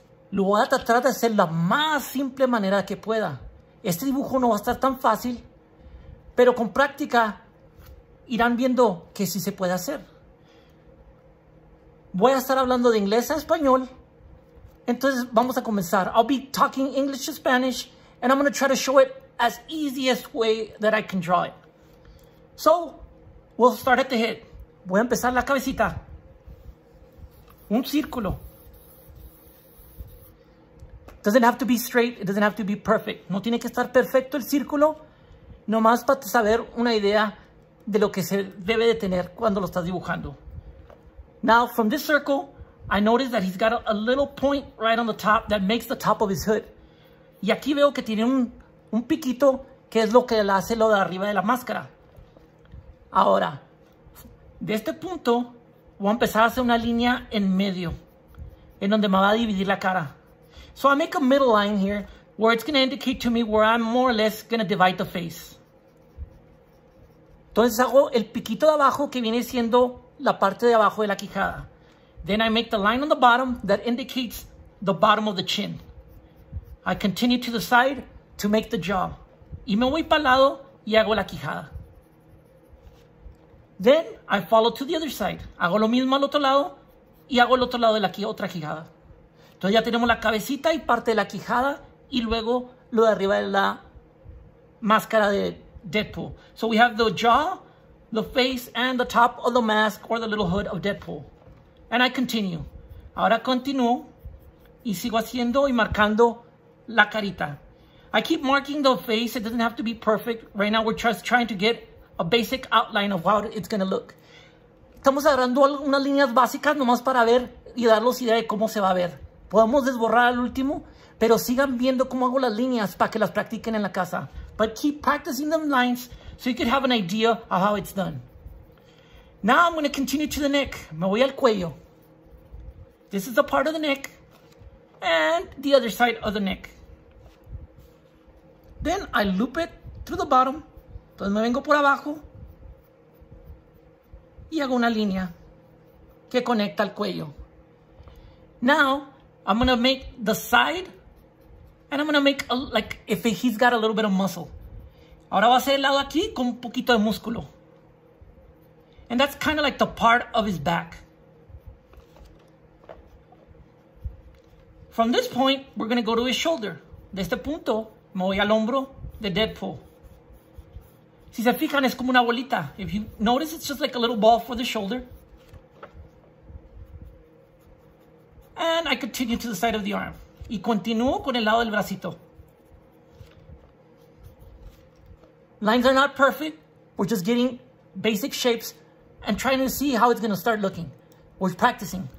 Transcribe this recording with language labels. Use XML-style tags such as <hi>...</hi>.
<es>Lo voy a tratar de hacer la más simple manera que pueda. Este dibujo no va a estar tan fácil, pero con práctica irán viendo que sí se puede hacer. Voy a estar hablando de inglés a español. Entonces, vamos a comenzar.</es> <en>I'll be talking English to Spanish, and I'm going to try to show it as easiest way that I can draw it. So, we'll start at the head.</en> <es>Voy a empezar la cabecita. Un círculo.</es> <en>Doesn't have to be straight. It doesn't have to be perfect.</en> <es>No tiene que estar perfecto el círculo, nomás para saber una idea de lo que se debe de tener cuando lo estás dibujando.</es> <en>Now, from this circle, I notice that he's got a little point right on the top that makes the top of his hood.</en> <es>Y aquí veo que tiene un piquito que es lo que le hace lo de arriba de la máscara. Ahora, de este punto, voy a empezar a hacer una línea en medio, en donde me va a dividir la cara.</es> <en>So I make a middle line here where it's going to indicate to me where I'm more or less going to divide the face.</en> <es>Entonces hago el piquito de abajo que viene siendo la parte de abajo de la quijada.</es> <en>Then I make the line on the bottom that indicates the bottom of the chin. I continue to the side to make the jaw.</en> <es>Y me voy para el lado y hago la quijada.</es> <en>Then I follow to the other side.</en> <es>Hago lo mismo al otro lado y hago el otro lado de la otra quijada. Entonces ya tenemos la cabecita y parte de la quijada y luego lo de arriba de la máscara de Deadpool.</es> <en>So we have the jaw, the face, and the top of the mask or the little hood of Deadpool. And I continue.</en> <es>Ahora continúo y sigo haciendo y marcando la carita.</es> <en>I keep marking the face. It doesn't have to be perfect. Right now we're just trying to get a basic outline of how it's going to look.</en> <es>Estamos agarrando unas líneas básicas nomás para ver y darles idea de cómo se va a ver. Podemos desborrar al último, pero sigan viendo cómo hago las líneas para que las practiquen en la casa.</es> <en>But keep practicing them lines so you can have an idea of how it's done. Now I'm going to continue to the neck.</en> <es>Me voy al cuello.</es> <en>This is the part of the neck and the other side of the neck. Then I loop it through the bottom.</en> <es>Entonces me vengo por abajo y hago una línea que conecta al cuello.</es> <en>Now I'm going to make the side and I'm going to make a, like if he's got a little bit of muscle.</en> <es>Ahora va a ser el lado aquí con un poquito de músculo.</es> <en>And that's kind of like the part of his back. From this point, we're going to go to his shoulder.</en> <es>De este punto, me voy al hombro de Deadpool. Si se fijan, es como una bolita.</es> <en>If you notice, it's just like a little ball for the shoulder. And I continue to the side of the arm.</en> <es>Y continúo con el lado del bracito.</es> <en>Lines are not perfect. We're just getting basic shapes and trying to see how it's going to start looking. We're practicing.</en>